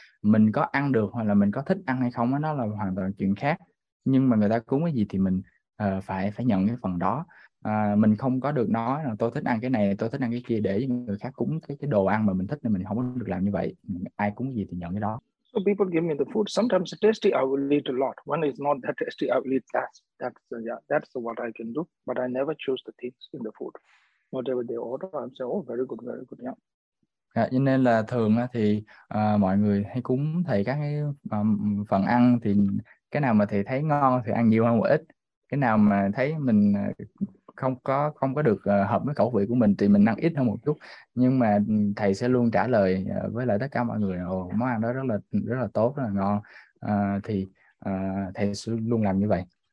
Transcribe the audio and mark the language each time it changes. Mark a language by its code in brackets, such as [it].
[vi] Mình có ăn được hoặc là mình có thích ăn hay không, nó là hoàn toàn chuyện khác. Nhưng mà người ta cúng cái gì thì phải phải nhận cái phần đó. Mình không có được nói là tôi thích ăn cái này, tôi thích ăn cái kia, để người khác cúng cái đồ ăn mà mình thích, nên mình không có được làm như vậy. Ai cúng cái gì thì nhận cái đó. [en] So people give me the food. Sometimes it's tasty, I will eat a lot. When it's not that tasty, I will eat less. That's what I can do. But I never choose the things in the food. Whatever they order, I'm say, oh, very good, yeah. [vi] À, nên là thường thì mọi người hay cúng thầy các cái phần ăn, thì cái nào mà thầy thấy ngon thì ăn nhiều hơn một ít, cái nào mà thấy mình không có được hợp với khẩu vị của mình thì mình ăn ít hơn một chút, nhưng mà thầy sẽ luôn trả lời với lại tất cả mọi người, ồ, món ăn đó rất là tốt, rất là ngon, thì thầy sẽ luôn làm như vậy.